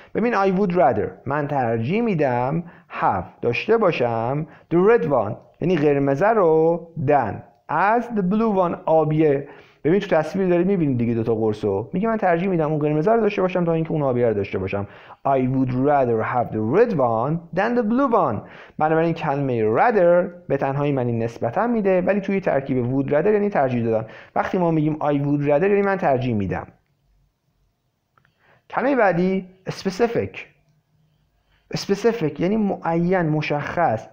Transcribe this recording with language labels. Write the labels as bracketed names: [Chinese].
[Persian] ببین [English] I would rather [Persian] من ترجیح میدم [English] have [Persian] داشته باشم [English] the red one [Persian] یعنی قرمز رو [English] than as the blue one [Persian] آبیه. ببین تو تصویر دارید میبینید دیگه دوتا قرصو، میگه من ترجیح میدم اون قرمز رو داشته باشم تا اینکه اون آبی رو داشته باشم. [English] I would rather have the red one than the blue one. [Persian] بنابراین کلمه rather به تنهایی معنی نسبتا میده، ولی توی ترکیب would rather یعنی ترجیح دادن. وقتی ما میگیم [English] I would rather [Persian] یعنی من ترجیح میدم. کلمه بعدی specific یعنی معین، مشخص.